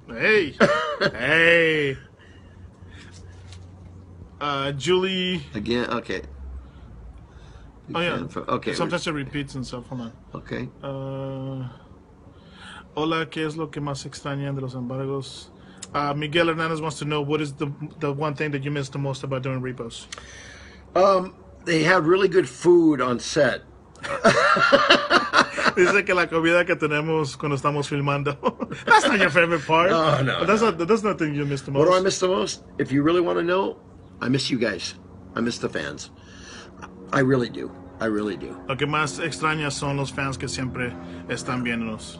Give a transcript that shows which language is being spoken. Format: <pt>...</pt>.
<en>Hey. Hey. Julie. Again, okay. Okay. Sometimes it repeats and stuff. Hold on. Okay.</en> <es>Hola, ¿qué es lo que más extrañan de los embargos?</es> <en>Miguel Hernandez wants to know, what is the one thing that you miss the most about doing repos? They have really good food on set.</en> <es>Dice que la comida que tenemos cuando estamos filmando.</es> <en>That's not your favorite part. That's not the thing you miss the most. What do I miss the most? If you really want to know, I miss you guys. I miss the fans. I really do. I really do.</en> <es>Lo que más extraña son los fans que siempre están viéndonos.</es>